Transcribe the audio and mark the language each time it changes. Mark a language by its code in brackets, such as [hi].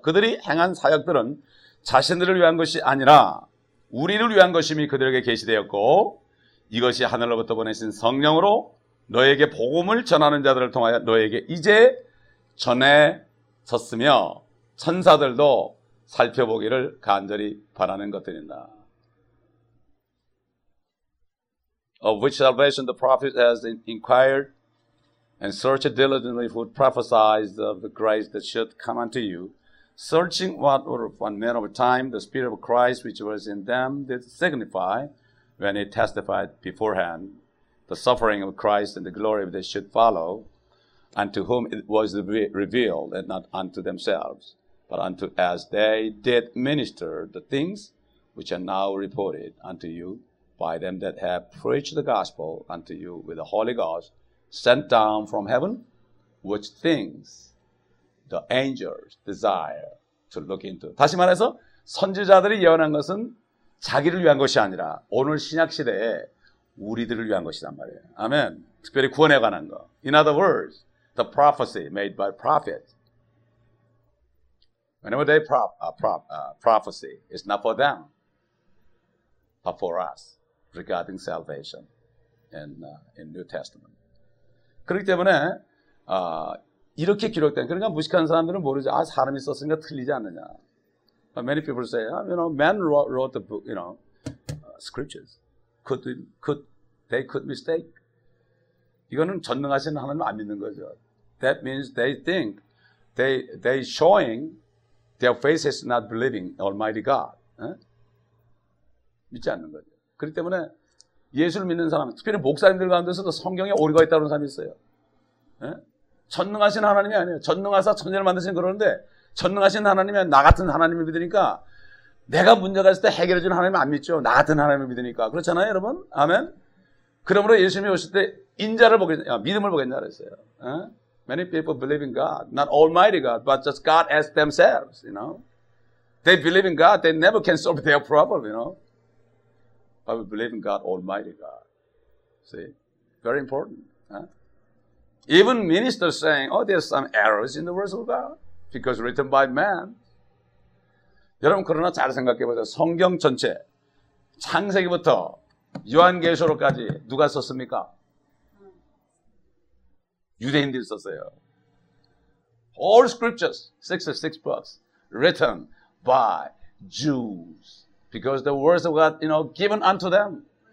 [ko] 그들이 행한 사역들은 자신들을 위한 것이 아니라 우리를 위한 것임이 그들에게 계시되었고 이것이 하늘로부터 보내신 성령으로 너에게 복음을 전하는 자들을 통하여 너에게 이제 전해졌으며 천사들도 살펴보기를 간절히 바라는 것들이다. [en] Of which salvation the prophet has inquired and searched diligently who prophesied of the grace that should come unto you. Searching what were one man of time, the Spirit of Christ which was in them did signify when he testified beforehand the suffering of Christ and the glory that should follow, unto whom it was revealed, and not unto themselves, but unto as they did minister the things which are now reported unto you by them that have preached the gospel unto you with the Holy Ghost sent down from heaven, which things the angels desire to look into. [ko] 다시 말해서 선지자들이 예언한 것은 자기를 위한 것이 아니라 오늘 신약 시대에 우리들을 위한 것이란 말이에요. 아멘. 특별히 구원에 관한 거. [en] In other words, the prophecy made by prophets. Whenever they prophecy is not for them, but for us regarding salvation in New Testament. [ko] 그렇기 때문에 이렇게 기록된, 그러니까 무식한 사람들은 모르죠. 아, 사람이 썼으니까 틀리지 않느냐. [en] Many people say, you know, men wrote the book, you know, scriptures. They could mistake. [ko] 이거는 전능하신 하나님 안 믿는 거죠. [en] That means they think they showing their face is not believing Almighty God. [ko] 믿지 않는 거죠. 그렇기 때문에 예수를 믿는 사람, 특별히 목사님들 가운데서도 성경에 오류가 있다는 사람이 있어요. 전능하신 하나님이 아니에요. 전능하사 천재를 만드신 그러는데 전능하신 하나님이 나 같은 하나님을 믿으니까 내가 문제가 있을 때 해결해 주는 하나님 안 믿죠. 나 같은 하나님을 믿으니까. 그렇잖아요, 여러분? 아멘? 그러므로 예수님이 오실 때 인자를 보겠냐, 믿음을 보겠냐 그랬어요. [en] Many people believe in God. Not Almighty God, but just God as themselves, you know. They believe in God. They never can solve their problem, you know. But we believe in God, Almighty God. See? Very important. Even ministers saying, oh, there's some errors in the words of God because written by man. [ko] 여러분, 그러나 잘 생각해보세요. 성경 전체, 창세기부터 요한계시록까지 누가 썼습니까? 유대인들이 썼어요. [en] All scriptures, 66 books, written by Jews because the words of God, you know, given unto them.